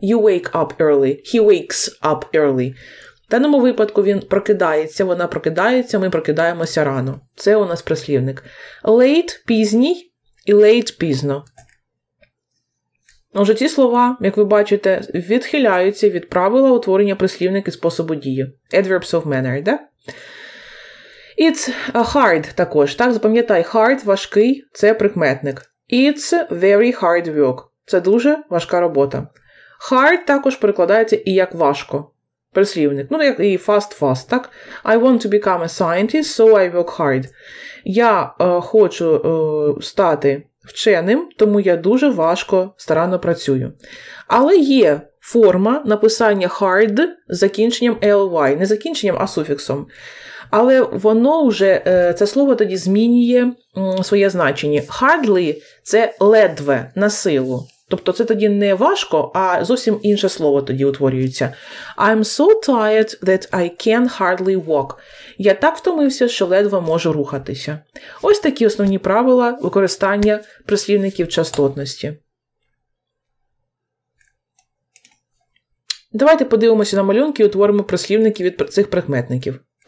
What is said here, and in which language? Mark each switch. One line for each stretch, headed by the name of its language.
English: You wake up early, he wakes up early.
Ukrainian: В даному випадку він прокидається, вона прокидається, ми прокидаємося рано. Це у нас прислівник. Late, пізній. І late – пізно. Отже, ці слова, як ви бачите, відхиляються від правила утворення прислівників способу дії.
English: Adverbs of manner, да? It's hard
Ukrainian: також. Так, запам'ятай, hard – важкий, це прикметник.
English: It's very hard work.
Ukrainian: Це дуже важка робота. Hard також перекладається і як важко. Прислівник. Ну, як і fast-fast, так?
English: I want to become a scientist, so I work hard.
Ukrainian: Я хочу стати вченим, тому я дуже важко, старанно працюю. Але є форма написання hard з закінченням ly, не закінченням, а суфіксом. Але воно вже, це слово тоді змінює своє значення. Hardly – це ледве, на силу. Тобто це тоді не важко, а зовсім інше слово тоді утворюється.
English: I'm so tired that I can hardly walk.
Ukrainian: Я так втомився, що ледве можу рухатися. Ось такі основні правила використання прислівників частотності. Давайте подивимося на малюнки і утворимо прислівники від цих прикметників.